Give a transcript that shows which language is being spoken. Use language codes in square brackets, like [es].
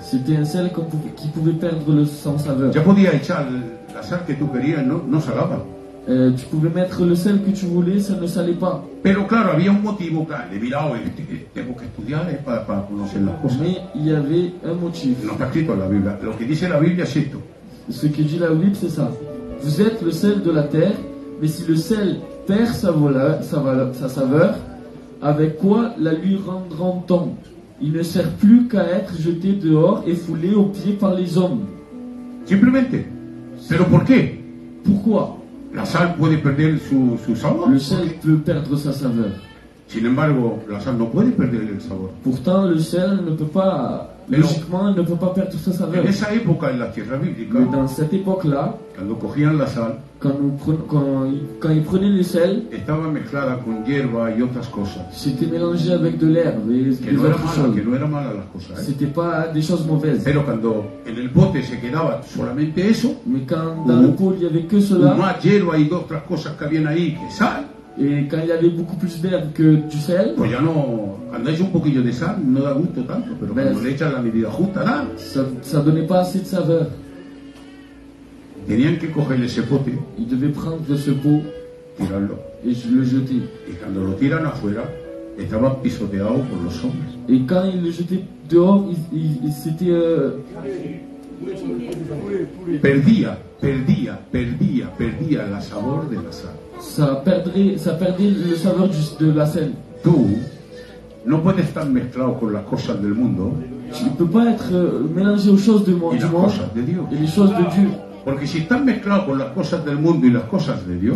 [fr] C'était un sel qui pouvait perdre son saveur. [es] Ya podía echar la sal que tú querías, no salaba. [fr] Tu pouvais mettre le sel que tu voulais, ça ne salait pas. [es] Pero claro, había un motivo, claro, mirado, tengo que estudiar para conocer las cosas. [fr] Mais il y avait un motif. [es] No está escrito en la Biblia. Lo que dice la Biblia es esto. [fr] Ce que dit la Bible, c'est ça. Vous êtes le sel de la terre, mais si le sel perd sa saveur, avec quoi la lui rendront-on? Il ne sert plus qu'à être jeté dehors et foulé aux pieds par les hommes. [es] Simplemente. Pero por qué? [fr] Pourquoi? [es] La sal puede perder su sabor. [fr] Le sel peut perdre sa saveur. [es] Sin embargo, la sal no puede perder el sabor. [fr] Pourtant, le sel ne peut pas, logiquement, ne peut pas perdre sa saveur. [es] En esa época, en la tierra bíblica, [fr] mais dans cette époque-là, [es] cuando cogían la sal, [fr] quand ils prenaient le sel, [es] estaba mezclada con hierba y otras cosas. [fr] C'était mélangé avec de l'herbe et que des autres choses. [es] Que no era mala las cosas. [fr] C'était pas des choses mauvaises. [es] Pero cuando en el bote se quedaba solamente eso, [fr] mais quand dans le pot il y avait que cela, [es] más hierba y otras cosas que habían ahí que sal. [fr] Et quand il y avait beaucoup plus d'herbe que du sel. [es] Pues ya no, cuando hay un poquillo de sal, no da gusto tanto, pero ben, cuando le echan la medida justa, da. [fr] Ça donnait pas assez de saveur. [es] Tenían que coger ese pote. [fr] Ils devaient prendre ce pot. [es] Tirarlo. [fr] Et le jeter. [es] Y cuando lo tiran afuera, estaban pisoteados por los hombres. [fr] Et quand ils le jetaient dehors, c'était. [es] Perdía el sabor de la sal. [fr] Ça perdait le saveur de la sel. [es] Tú no puedes estar mezclado con las cosas del mundo. [fr] Tu ne peux pas être mélangé aux choses de Dieu. [es] Porque si estás mezclado con las cosas del mundo y las cosas de Dios,